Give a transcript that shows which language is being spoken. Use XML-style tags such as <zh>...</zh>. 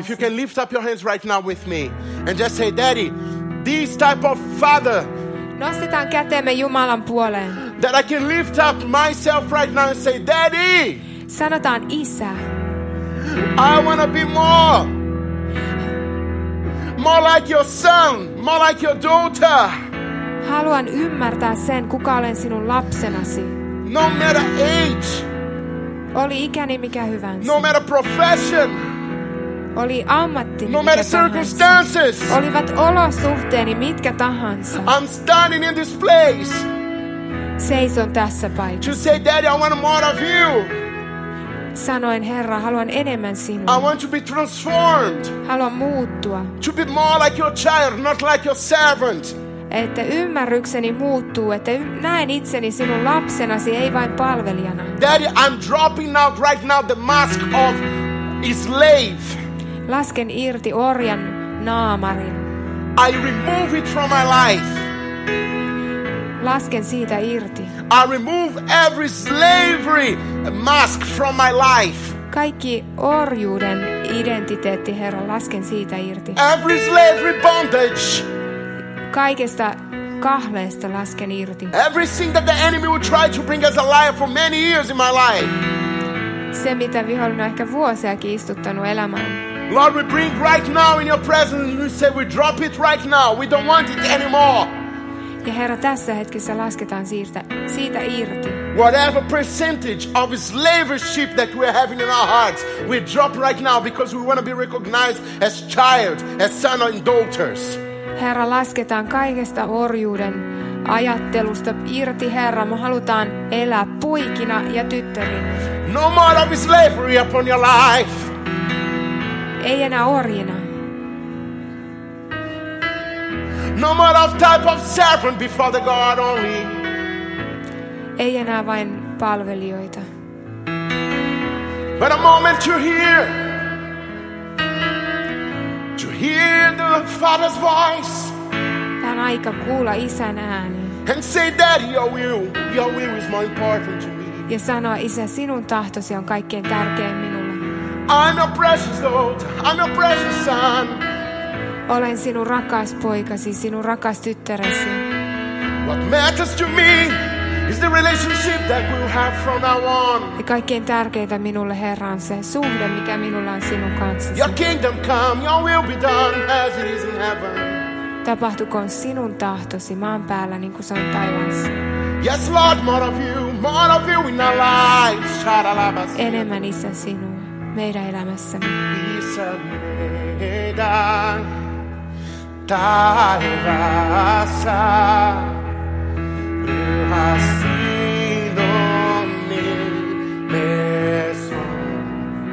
<en>If you can lift up your hands right now with me and just say, Daddy, this type of father.</en> <fi>Nostetaan kätemme Jumalan puoleen.</fi> <en>That I can lift up myself right now and say, Daddy.</en> <fi>sanotaan isä.</fi> <en>I want to be more. More like your son, more like your daughter.</en> <fi>Haluan ymmärtää sen, kuka olen sinun lapsenasi.</fi> <en>No matter age.</en> <fi>Oli ikäni mikä hyvänsä.</fi> <en>No matter profession.</en> <fi>Oli ammatti.</fi> <en>No matter circumstances.</en> <fi>Olivat olosuhteeni mitkä tahansa.</fi> <en>I'm standing in this place.</en> <fi>Seison tässä paikassa.</fi> <en>To say, Daddy, I want more of you.</en> <fi>Sanoin, Herra, haluan enemmän sinua.</fi> <en>I want to be transformed.</en> <fi>Haluan muuttua.</fi> <en>To be more like your child, not like your servant.</en> <fi>Että ymmärrykseni muuttuu, että näen itseni sinun lapsenasi, ei vain palvelijana.</fi> <en>Daddy, I'm dropping out right now the mask of a slave.</en> <fi>Lasken irti orjan naamarin.</fi> <en>I remove it from my life.</en> <fi>Lasken siitä irti.</fi> <en>I remove every slavery mask from my life.</en> <fi>Kaikki orjuuden identiteetti, Herra, lasken siitä irti.</fi> <en>Every slavery bondage.</en> <fi>Kaikesta kahleesta lasken irti.</fi> <en>Everything that the enemy would try to bring as a liar for many years in my life.</en> <fi>Se, mitä vihollinen on ehkä vuosiakin istuttanut elämään.</fi> <en>Lord, we bring right now in your presence, and we say we drop it right now. We don't want it anymore.</en> <fi>Ja Herra, tässä hetkessä lasketaan siitä irti.</fi> <en>Whatever percentage of slavery ship that we're having in our hearts, we drop right now because we want to be recognized as child, as son and daughters.</en> <fi>Herra, lasketaan kaikesta orjuuden ajattelusta irti, Herra. Me halutaan elää poikina ja tyttärinä.</fi> <en>No more of slavery upon your life.</en> <fi>Ei enää orjina.</fi> <en>No more of type of servant before the God only.</en> <fi>Ei enää vain palvelijoita.</fi> <en>But a moment you're here. To hear the Father's voice.</en> <fi>Tän aika kuulla isän ääni.</fi> <en>And say, Daddy, your will is more important to me.</en> <fi>Ja sanoa, isä, sinun tahtosi on kaikkein tärkein minulle.</fi> <en>I'm a precious daughter. I'm a precious son.</en> <fi>Olen sinun rakas poikasi, sinun rakas tyttäresi.</fi> <en>What matters to me is the relationship that we'll have from now on.</en> <fi>Ja kaikkein tärkeintä minulle, Herra, on se suhde, mikä minulla on sinun kanssasi.</fi> <en>Your kingdom come, your will be done as it is in heaven.</en> <fi>Tapahtukoon sinun tahtosi maan päällä, niin kuin se on taivaassa.</fi> <en>Yes, Lord, more of you in our lives. Shadalabas.</en> <fi>Enemmän isä sinua, meidän elämässämme. Isä meidän. Taivaassa yhä sinun nimesi on.</fi>